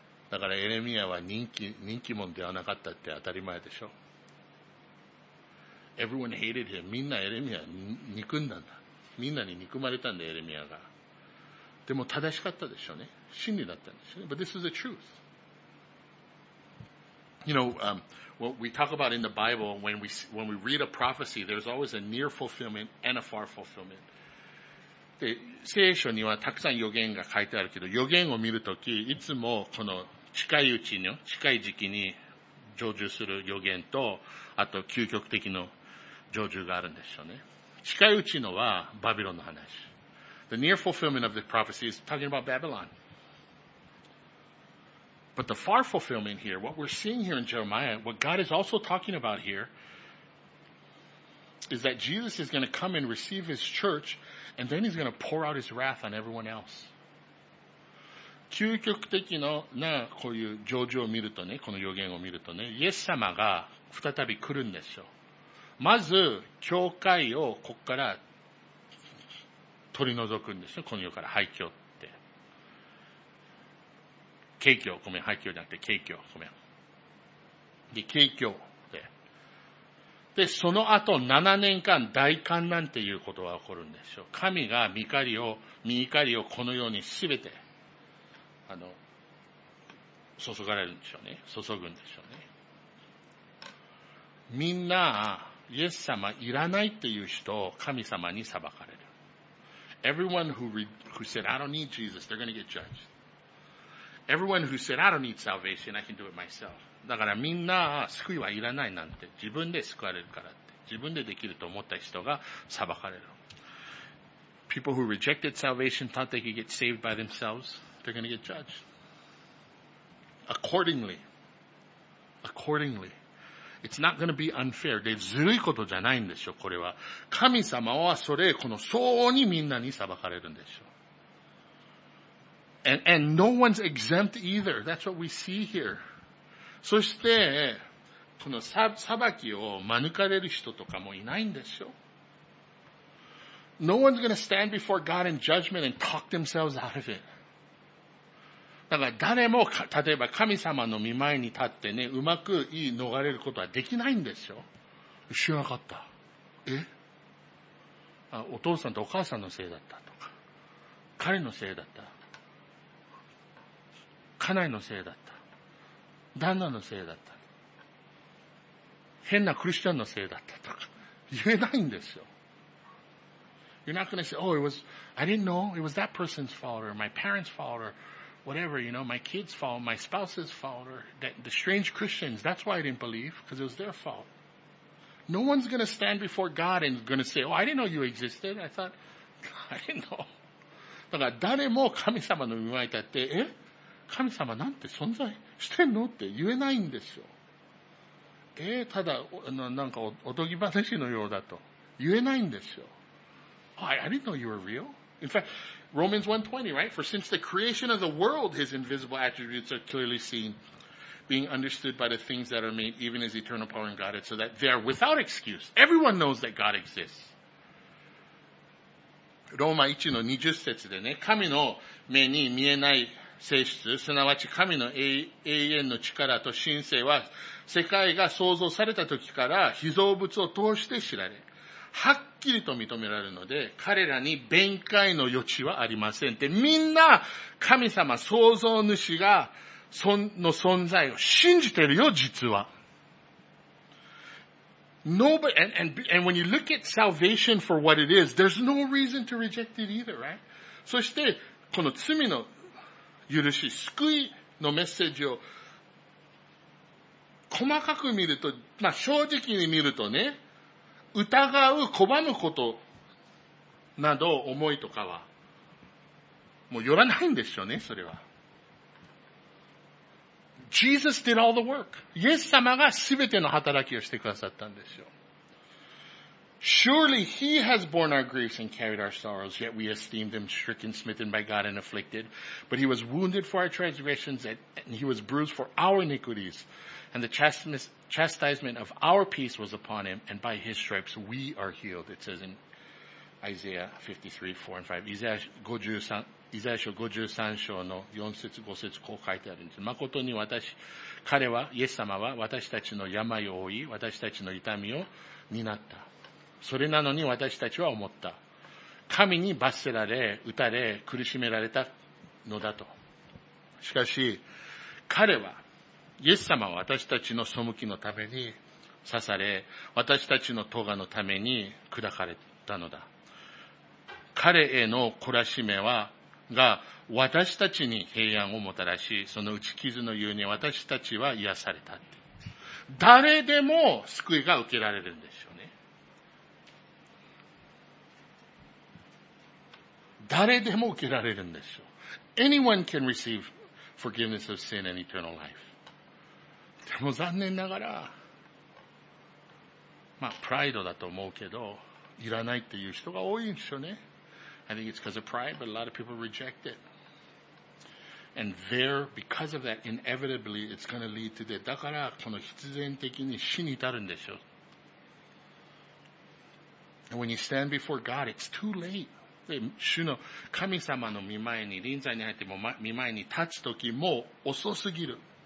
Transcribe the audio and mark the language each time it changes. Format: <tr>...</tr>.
<ja>だからエレミアは人気者ではなかったって当たり前でしょ。</ja> <en>Everyone hated him.</en> <ja>みんなエレミア憎んだんだ。みんなに憎まれたんだ、エレミアが。でも正しかったでしょうね。真理だったんですよね。</ja> <en>But this is the truth. You know, what we talk about in the Bible, when we read a prophecy, there's always a near fulfillment and a far fulfillment.</en> <ja>で、聖書にはたくさん予言が書いてあるけど、予言を見るとき、いつもこの近いうちに、近い時期に成就する予言と、あと究極的の成就があるんでしょうね。近いうちのはバビロンの話。</ja> <en>The near fulfillment of the prophecy is talking about Babylon. But the far fulfillment here, what we're seeing here in Jeremiah, what God is also talking about here, is that Jesus is going to come and receive his church, and then he's going to pour out his wrath on everyone else.</en> <ja>究極的なこういう成就を見るとね、この予言を見るとね、イエス様が再び来るんですよ。まず、教会をここから取り除くんですよ。この世から廃墟って。景況、ごめん、廃墟じゃなくて景況、ごめん。で、景況で。で、その後7年間大患難っていうことが起こるんですよ。神が御怒りをこのようにすべて、注がれるんでしょうね。注ぐんでしょうね。みんな、イエス様いらないっていう人を神様に裁かれる。</ja> <en>Everyone who said, I don't need Jesus, they're going to get judged. Everyone who said, I don't need salvation, I can do it myself.</en> <ja>だからみんな救いはいらないなんて、自分で救われるからって、自分でできると思った人が裁かれる。</ja> <en>People who rejected salvation thought they could get saved by themselves, they're going to get judged. Accordingly. It's not going to be unfair.</en> <ja>で、ずるいことじゃないんですよ、これは。神様はそれ、この相応にみんなに裁かれるんですよ。</ja> <en>And no one's exempt either. That's what we see here.</en> <ja>そして、この裁きを免れる人とかもいないんですよ。</ja> <en>No one's going to stand before God in judgment and talk themselves out of it.</en> <ja>だから誰も、例えば神様の御前に立ってね、うまく言い逃れることはできないんですよ。知らなかった。え？あ、お父さんとお母さんのせいだったとか、彼のせいだった。家内のせいだった。旦那のせいだった。変なクリスチャンのせいだったとか、言えないんですよ。</ja> <en>You're not gonna say, oh, it was, I didn't know, it was that person's fault or my parents' fault or,Whatever, you know, my kids' fault, my spouse's fault, or the strange Christians, that's why I didn't believe, because it was their fault. No one's going to stand before God and going to say, oh, I didn't know you existed. I thought, I didn't know.</en> <ja>だから誰も神様の御前に立って、え？神様なんて存在してんのって言えないんですよ。え？ただ、なんかおとぎ話のようだと言えないんですよ。</ja> <en>Oh, I didn't know you were real. In fact,Romans 1:20, right? For since the creation of the world, his invisible attributes are clearly seen, being understood by the things that are made, even his eternal power and Godhead, so that they are without excuse. Everyone knows that God exists.</en> <ja>ローマ 1:20 節でね、神の目に見えない性質、すなわち神の永遠の力と神性は、世界が創造された時から被造物を通して知られ。はっきりと認められるので、彼らに弁解の余地はありません。で、みんな、神様、創造主が、その存在を信じてるよ、実は。</ja> <en>Nobody, and when you look at salvation for what it is, there's no reason to reject it either, right?</en> <ja>そして、この罪の許し、救いのメッセージを、細かく見ると、まあ、正直に見るとね、疑う、拒むことなど思いとかは、もう寄らないんでしょうね、それは。</ja> <en>Jesus did all the work.</en> <ja>イエス様がすべての働きをしてくださったんですよ。</ja> <en>Surely he has borne our griefs and carried our sorrows, yet we esteemed him stricken, smitten by God and afflicted. But he was wounded for our transgressions and he was bruised for our iniquities. And the chastisement of our peace was upon him, and by his stripes we are healed. It says in Isaiah 53:4-5. Isaiah 53,</en> <ja>イザヤ書53章の4節5節こう書いてあるんです。誠に私、彼は、イエス様は私たちの病を負い、私たちの痛みを担った。それなのに私たちは思った。神に罰せられ、打たれ、苦しめられたのだと。しかし、彼は、イエス様は私たちの背きのために刺され、私たちの咎のために砕かれたのだ。彼への懲らしめは、が私たちに平安をもたらし、その打ち傷の故に私たちは癒されたって。誰でも救いが受けられるんですよね。誰でも受けられるんですよ。</ja> <en>Anyone can receive forgiveness of sin and eternal life.</en> <ja>でも残念ながら、まあ、プライドだと思うけど、いらないっていう人が多いんですよね。</ja> <en>I think it's because of pride, but a lot of people reject it. And there, because of that, inevitably, it's going to lead to death.</en> <ja>だから、この必然的に死に至るんでしょう。</ja> <en>And when you stand before God, it's too late.</en> <ja>で、主の神様の御前に、臨在に入っても、御前に立つ時、もう遅すぎる。</ja>